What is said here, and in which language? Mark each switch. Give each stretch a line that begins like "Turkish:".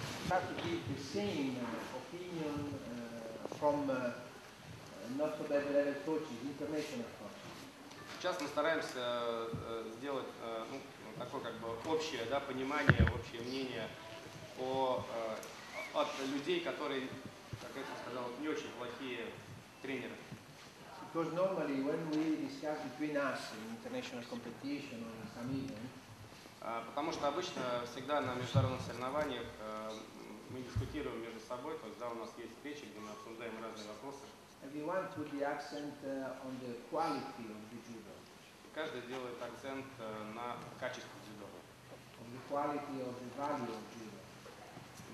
English: Have to give the same opinion from Notre Dame level coaches, international coaches.
Russian: Сейчас мы стараемся сделать ну, такое как бы общее, да, понимание, общее мнение от людей, которые, как я сказал, не очень плохие тренеры.
English: Because normally when we discuss between us in international competition or in some event,
Russian: потому что обычно всегда на международных соревнованиях мы дискутируем между собой, то есть да, у нас есть встречи, где мы обсуждаем разные вопросы.
English: Everyone put the accent on the quality of the judo.
Russian: Каждый делает акцент на качестве дзюдо.
English: On the quality of the value of judo.